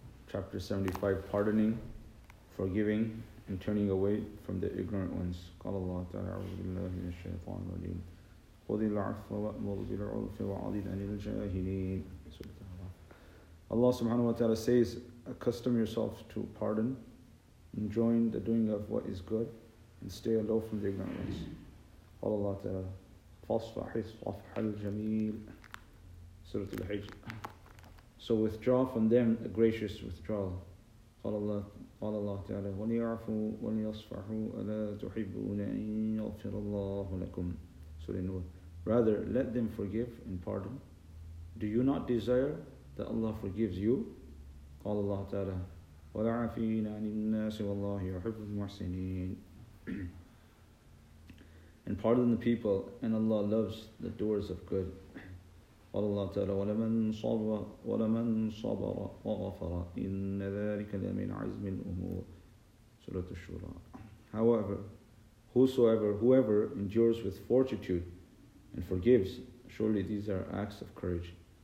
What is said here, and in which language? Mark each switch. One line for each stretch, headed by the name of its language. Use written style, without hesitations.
English: Chapter 75, pardoning, forgiving, and turning away from the ignorant ones.
Arabic: قال الله تعالى أعوذ بالله من الشيطان الرجيم خذ العفو وأمر بالعرف وأعرض عن الجاهلين.
English: Allah subhanahu wa ta'ala says, accustom yourself to pardon, enjoin the doing of what is good, and stay aloof from the ignorant ones.
Arabic: قال الله تعالى فاصفح الصفح الجميل.
English: Surat al-Hijj. So withdraw from them a gracious withdrawal.
Arabic: قال الله تعالى وليعفوا وليصفحوا ألا تحبون أن يغفر الله لكم.
English: Surah An-Nur. Rather, let them forgive and pardon. Do you not desire that Allah forgives you?
Arabic: قال الله تعالى والعافين عن الناس والله يحب المحسنين.
English: And pardon the people, and Allah loves the doers of good.
Arabic: قال الله تعالى ولمن صبر وغفر إن ذلك لمن عزم الأمور. سورة الشورى.
English: However, whoever endures with fortitude and forgives, surely these are acts of courage.